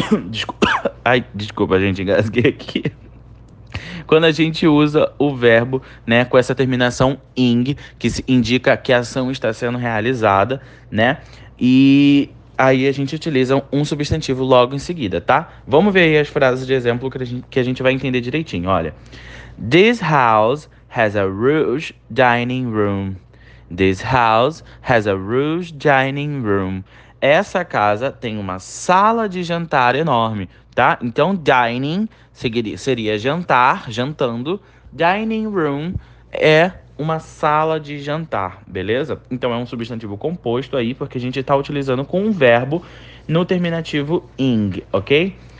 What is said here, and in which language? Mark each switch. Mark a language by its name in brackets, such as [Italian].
[Portuguese] Desculpa. Ai, desculpa, gente, engasguei aqui. Quando a gente usa o verbo, né, com essa terminação ing, que indica que a ação está sendo realizada, né? E aí a gente utiliza um substantivo logo em seguida, tá? Vamos ver aí as frases de exemplo que a gente vai entender direitinho. Olha: [English] This house has a rouge dining room. This house has a rouge dining room. [Portuguese] Essa casa tem uma sala de jantar enorme. Tá? Então, dining seria jantar, jantando. Dining room é uma sala de jantar, beleza? Então, é um substantivo composto aí, porque a gente está utilizando com um verbo no terminativo ing, ok?